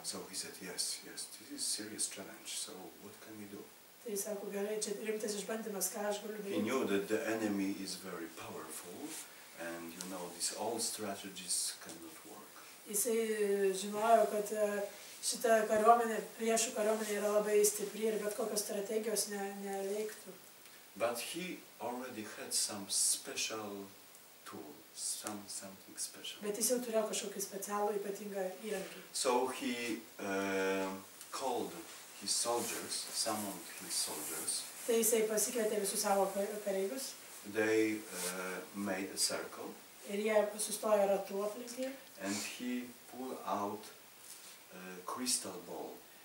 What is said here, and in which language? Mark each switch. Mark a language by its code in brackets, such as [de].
[en] So he said, yes, this is serious challenge, so what can we do? [lt] Tai jis sako, gerai, čia rimtas išbandymas, ką aš galiu daryti. [en] He knew that the enemy is very powerful, and you know, these old strategies cannot work. [lt] Jisai žinojo, kad šita kariuomenė, priešų kariuomenė yra labai stipri ir bet kokios strategijos neveiktų. [en] But he already had some special tool, something special. [lt] Bet jis jau turėjo kažkokį specialų ypatingą įrankį. [en] So he called his soldiers, summoned his soldiers. [lt] Tai jisai pasikvietė visus savo kareivius. [en] They made a circle. [lt] Ir jie sustojo ratu aplinkį. [en] And he pulled out crystal ball.